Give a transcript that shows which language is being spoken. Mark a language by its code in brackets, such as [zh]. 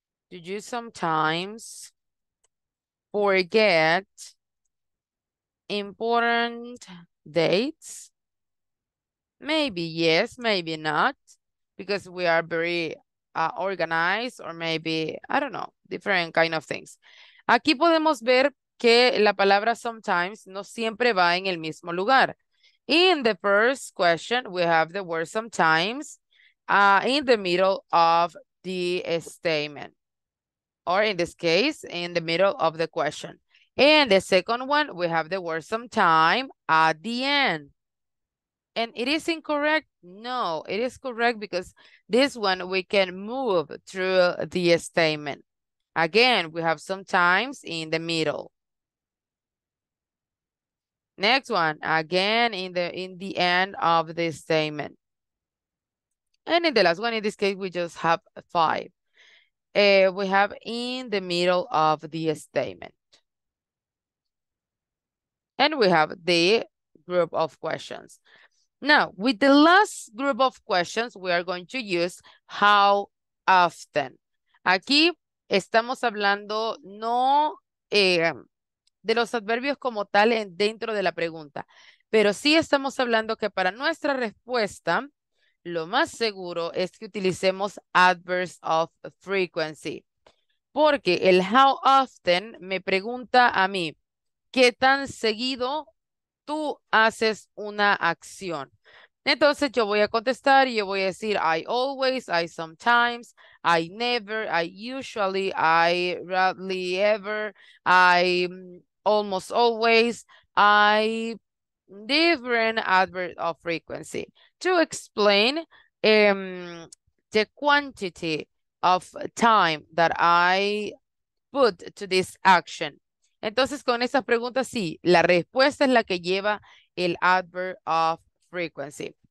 [en] Do you sometimes forget important dates? Maybe yes, maybe not, because we are very organized, or maybe, I don't know, different kind of things. [es] Aquí podemos ver que la palabra sometimes no siempre va en el mismo lugar. [en] In the first question, we have the word sometimes in the middle of the statement, or in this case, in the middle of the question. And the second one, we have the word sometime at the end. And it is incorrect? No, it is correct, because this one we can move through the statement. Again, we have sometimes in the middle. Next one, again in the end of the statement. And in the last one, in this case, we just have five. We have in the middle of the statement. And we have the group of questions. Now, with the last group of questions, we are going to use how often. [es] Aquí estamos hablando no de los adverbios como tal dentro de la pregunta, pero sí estamos hablando que para nuestra respuesta, lo más seguro es que utilicemos adverbs of frequency. Porque el how often me pregunta a mí, ¿qué tan seguido tú haces una acción? Entonces yo voy a contestar y yo voy a decir [en] I always, I sometimes, I never, I usually, I rarely ever, I almost always, I different adverb of frequency. To explain the quantity of time that I put to this action. [es] Entonces, con esas preguntas, sí, la respuesta es la que lleva el adverb of frequency.